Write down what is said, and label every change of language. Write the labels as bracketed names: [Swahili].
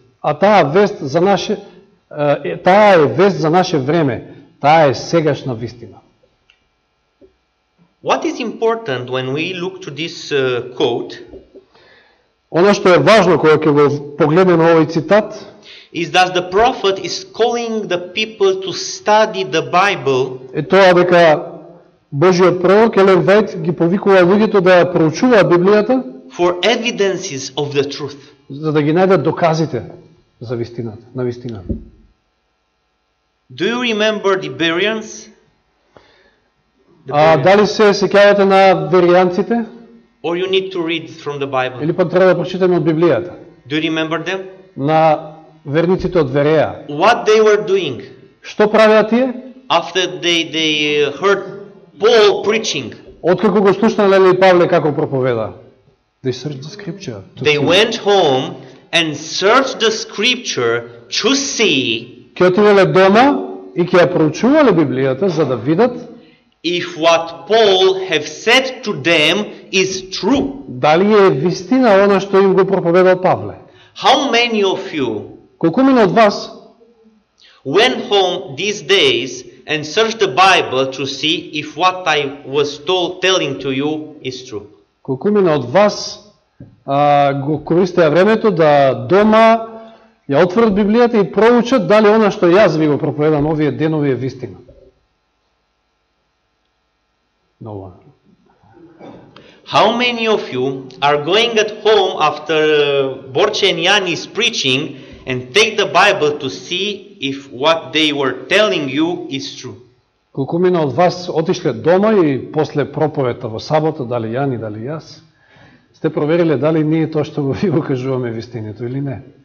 [Macedonian] А таа вест за наше таа е вест за наше време. Таа е сегашна вистина. [English] What is important when we look to this quote? [Macedonian] Оно што е важно кога ќе го погледнеме овој цитат, [English] is that the prophet is calling the people to study the Bible. [Macedonian] Е тоа дека Божјиот пророк Елен Вајт ги повикува луѓето да ја проучуваат Библијата [English] for evidences of the truth. [Macedonian] За да ги најдат доказите за вистината, на вистината. [English] Do you remember the Bereans? [Macedonian] А дали се сеќавате на Берианците? [English] Or you need to read from the Bible. [Macedonian] Или пак треба да прочитаме од Библијата? [English] Do you remember them? [Macedonian] На верниците од Вереја. [English] What they were doing? [Macedonian] Што правеа тие? [English] After they heard Paul preaching. [Macedonian] Откако го слушнале ли Павле како проповеда? [English] They searched the scripture. They went home and searched the scripture to see. [Macedonian] Ке отивале дома и ке ја проучувале Библијата за да видат [English] if what Paul have said to them is true. [Macedonian] Дали е вистина она што им го проповедал Павле? [English] How many of you? [Macedonian] Колку мене од вас? [English] Went home these days and searched the Bible to see if what I was told telling to you is true. [Macedonian] Колку мене од вас го користеа времето да дома ја отворат Библијата и проучат дали она што јас ви го проповедам овие денови е вистина? [English] How many of you are going at home after Borchenian is preaching and take the Bible to see if what they were telling you is true? [Macedonian] Колку мене од вас отишле дома и после проповета во сабота, дали Јан и дали јас, сте провериле дали ние тоа што ви го кажуваме вистинето или не?